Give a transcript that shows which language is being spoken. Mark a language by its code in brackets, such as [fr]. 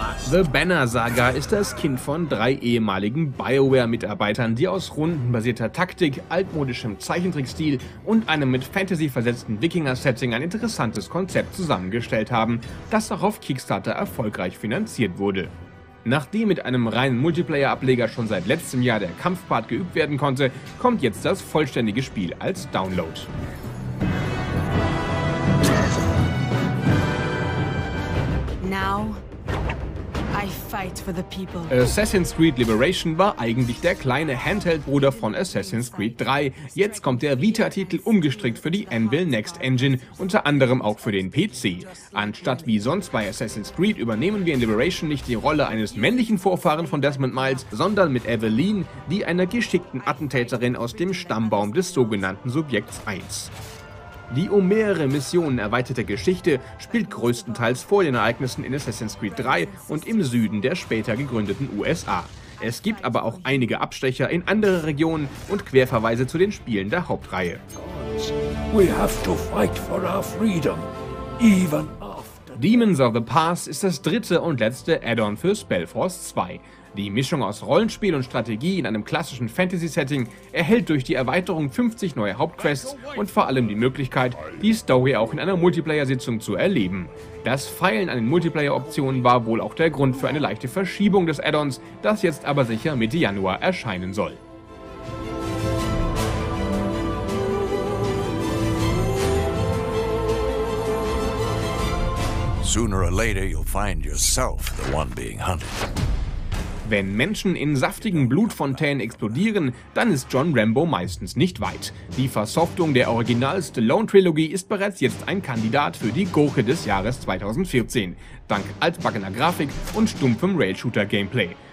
[de] The Banner Saga ist das Kind von drei ehemaligen BioWare-Mitarbeitern, die aus rundenbasierter Taktik, altmodischem Zeichentrickstil und einem mit Fantasy versetzten Wikinger-Setting ein interessantes Konzept zusammengestellt haben, das auch auf Kickstarter erfolgreich finanziert wurde. Nachdem mit einem reinen Multiplayer-Ableger schon seit letztem Jahr der Kampfpart geübt werden konnte, kommt jetzt das vollständige Spiel als Download. [en] Now, I fight for the people. [de] Assassin's Creed Liberation war eigentlich der kleine Handheld-Bruder von Assassin's Creed 3. Jetzt kommt der Vita-Titel umgestrickt für die Anvil Next Engine, unter anderem auch für den PC. Anstatt wie sonst bei Assassin's Creed übernehmen wir in Liberation nicht die Rolle eines männlichen Vorfahren von Desmond Miles, sondern mit Evelyn, die einer geschickten Attentäterin aus dem Stammbaum des sogenannten Subjekts 1. Die um mehrere Missionen erweiterte Geschichte spielt größtenteils vor den Ereignissen in Assassin's Creed 3 und im Süden der später gegründeten USA. Es gibt aber auch einige Abstecher in andere Regionen und Querverweise zu den Spielen der Hauptreihe. [en] We have to fight for our freedom, even after... [de] Demons of the Past ist das dritte und letzte Add-on für Spellforce 2. Die Mischung aus Rollenspiel und Strategie in einem klassischen Fantasy-Setting erhält durch die Erweiterung 50 neue Hauptquests und vor allem die Möglichkeit, die Story auch in einer Multiplayer-Sitzung zu erleben. Das Feilen an den Multiplayer-Optionen war wohl auch der Grund für eine leichte Verschiebung des Add-ons, das jetzt aber sicher Mitte Januar erscheinen soll. [en] Sooner or later you'll find yourself the one being hunted. [de] Wenn Menschen in saftigen Blutfontänen explodieren, dann ist John Rambo meistens nicht weit. Die Versoftung der Original-Stallone-Trilogie ist bereits jetzt ein Kandidat für die Gurke des Jahres 2014, dank altbackener Grafik und stumpfem Rail-Shooter-Gameplay.